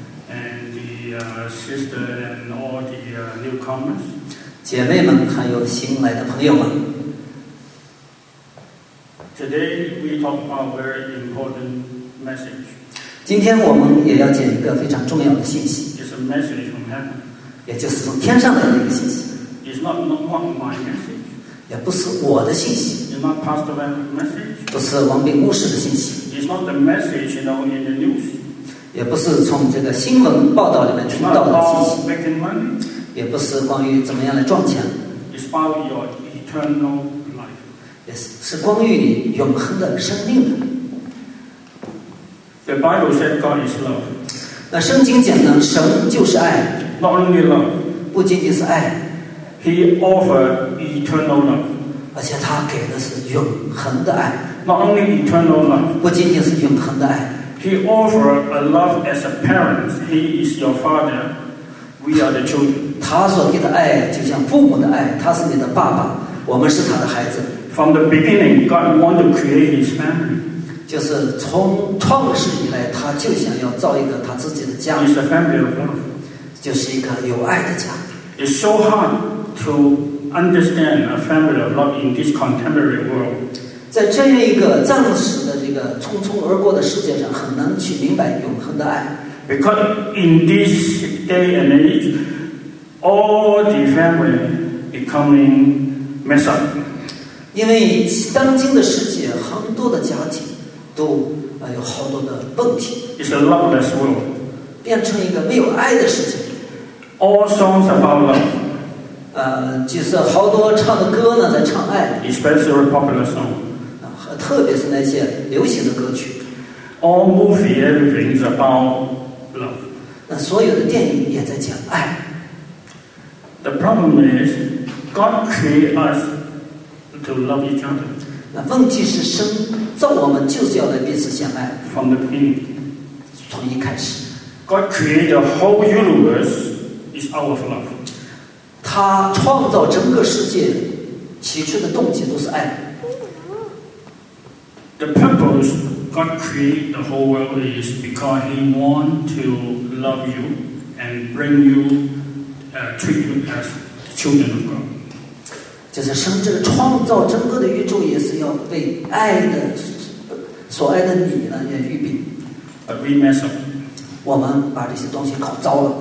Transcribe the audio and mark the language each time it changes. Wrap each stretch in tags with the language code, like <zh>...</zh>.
<en>And the sister and all the newcomers.</en> <zh>姐妹们，还有新来的朋友们。</zh> <en>Today we talk about a very important message.</en> <zh>今天我们也要讲一个非常重要的信息。</zh> <en>It's a message from heaven.</en> <zh>也就是从天上来的一个信息。</zh> <en>It's not one my message.</en> <zh>也不是我的信息。</zh> <en>It's not Pastor Van's message.</en> <zh>不是王炳牧师的信息。</zh> <en>It's not the message, you know, in the news.</en> <zh>也不是从这个新闻报道里面听到的信息。</zh> <en>It's not about making money.</en> <zh>也不是关于怎么样来赚钱。</zh> <en>It's about your eternal life.</en> <zh>也是关于你永恒的生命的。</zh> <en>The Bible said God is love.</en> <zh>那圣经讲呢，神就是爱。</zh> <en>Not only love.</en> <zh>不仅仅是爱。</zh> <en>He offered eternal love.</en> <zh>而且他给的是永恒的爱。</zh> <en>Not only eternal love,</en> <zh>不仅仅是永恒的爱。</zh> <en>He offered a love as a parent. He is your father. We are the children.</en> <zh>他所给的爱就像父母的爱，他是你的爸爸，我们是他的孩子。</zh> <en>From the beginning, God wanted to create His family.</en> <zh>就是从创世以来，他就想要造一个他自己的家。</zh> <en>It's a family of love.</en> <zh>就是一个有爱的家。</zh> <en>It's so hard to understand a family of love in this contemporary world.</en> <zh>在这样一个暂时的这个匆匆而过的世界上，很难去明白永恒的爱。</zh> <en>Because in this day and age, all the family becoming messed up.</en> <zh>因为当今的世界，很多的家庭都有好多的问题。</zh> <en>It's a loveless world.</en> <zh>变成一个没有爱的世界。</zh> <en>All songs about love.</en> <zh>就是好多唱的歌呢，在唱爱。</zh> <en>Especially popular songs.</en> <zh>特别是那些流行的歌曲。</zh> <en>All movie, everything is about love.</en> <zh>那所有的电影也在讲爱。</zh> <en>The problem is, God created us to love each other.</en> <zh>那问题是生造我们就是要来彼此相爱。</zh> <en>From the beginning.</en> <zh>从一开始。</zh> <en>God created the whole universe is out of love.</en> <zh>他创造整个世界，起初的动机都是爱。</zh> <en>The purpose God created the whole world is because He wants to love you and bring you, treat you as children of God.</en> <zh>就是神这个创造整个的宇宙也是要被爱的，所爱的你呢也预备。</zh> <en>But we mess up.</en> <zh>我们把这些东西搞糟了。</zh>